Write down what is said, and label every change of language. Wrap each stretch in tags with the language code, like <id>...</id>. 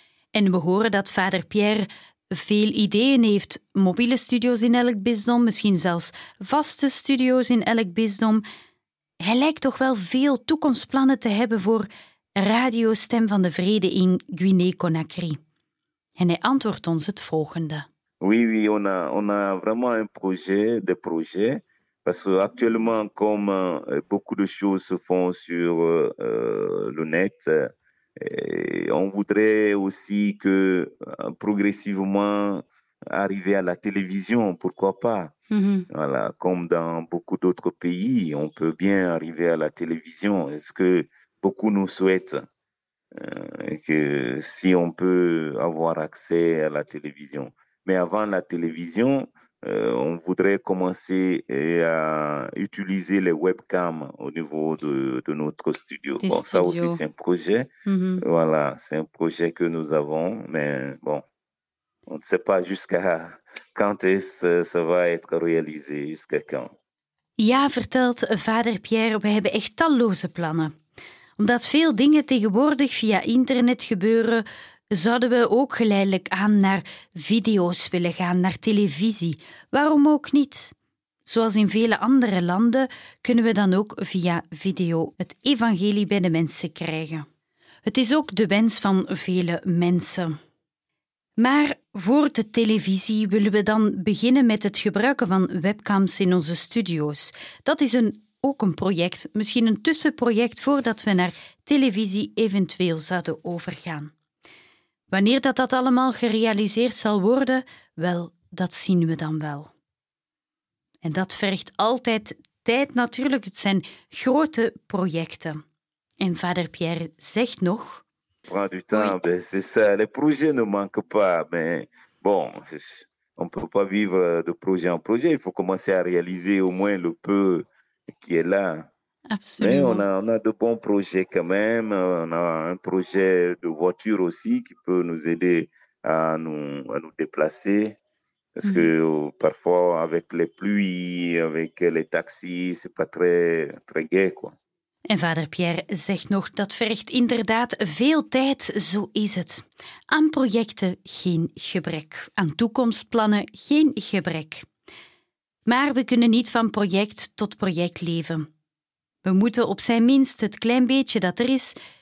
<nl>En we horen dat vader Pierre veel ideeën heeft. Mobiele studio's in elk bisdom, misschien zelfs vaste studio's in elk bisdom. Hij lijkt toch wel veel toekomstplannen te hebben voor Radio Stem van de Vrede in Guinea-Conakry. En hij antwoordt ons het volgende.</nl> <fr>Oui, on a vraiment un projet, des projets, parce qu'actuellement, comme beaucoup de choses se font sur le net, et on voudrait aussi que progressivement arriver à la télévision, pourquoi pas? Voilà, comme dans beaucoup d'autres pays, on peut bien arriver à la télévision. Est-ce que beaucoup nous souhaitent que si on peut avoir accès à la télévision? Mais avant la télévision, on voudrait commencer à utiliser les webcams au niveau de notre studio. Des Bon, ça aussi, studios. c'est un projet. Voilà, c'est un projet que nous avons. Mais bon, on ne sait pas jusqu'à quand est-ce ça va être réalisé, jusqu'à quand.</fr> <nl>Ja, vertelt vader Pierre, we hebben echt talloze plannen. Omdat veel dingen tegenwoordig via internet gebeuren, zouden we ook geleidelijk aan naar video's willen gaan, naar televisie. Waarom ook niet? Zoals in vele andere landen kunnen we dan ook via video het evangelie bij de mensen krijgen. Het is ook de wens van vele mensen. Maar voor de televisie willen we dan beginnen met het gebruiken van webcams in onze studio's. Dat is ook een project, misschien een tussenproject voordat we naar televisie eventueel zouden overgaan. Wanneer dat allemaal gerealiseerd zal worden, wel, dat zien we dan wel. En dat vergt altijd tijd natuurlijk. Het zijn grote projecten. En vader Pierre zegt nog.</nl> <fr>Prend du temps, ben c'est ça. Les projets ne manquent pas, mais bon, on peut pas vivre de projet en projet. Il faut commencer à réaliser au moins le peu qui est là. Mais Absolument. on a de bons projets quand même. On a un projet de voiture aussi qui peut nous aider à nous déplacer. Parce que parfois, avec les pluies, avec les taxis, c'est pas très très gai, quoi.</fr> <nl>En vader Pierre zegt nog, dat vergt inderdaad veel tijd, zo is het. Aan projecten geen gebrek, aan toekomstplannen geen gebrek. Maar we kunnen niet van project tot project leven. We moeten op zijn minst het klein beetje dat er is,</nl>